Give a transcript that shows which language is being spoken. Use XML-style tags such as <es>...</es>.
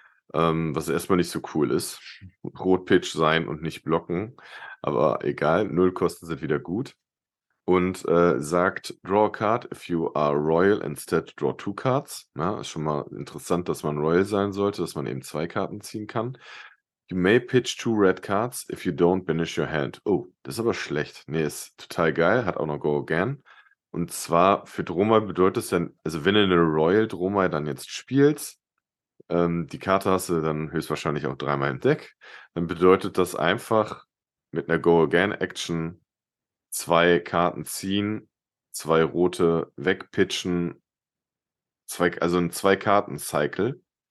<de>Was erstmal nicht so cool ist. Rotpitch sein und nicht blocken. Aber egal, 0 Kosten sind wieder gut. Und sagt,</de> <en>draw a card if you are royal, instead draw 2 cards.</en> <de>Ja, ist schon mal interessant, dass man royal sein sollte, dass man eben 2 Karten ziehen kann.</de> <en>You may pitch 2 red cards if you don't banish your hand.</en> <de>Oh, das ist aber schlecht. Nee, ist total geil, hat auch noch go again. Und zwar für Dromai bedeutet es dann, also wenn du eine royal Dromai dann jetzt spielst, die Karte hast du dann höchstwahrscheinlich auch 3-mal im Deck, dann bedeutet das einfach mit einer go again Action 2 Karten ziehen, 2 rote wegpitchen, also ein 2-Karten-Cycle.</de>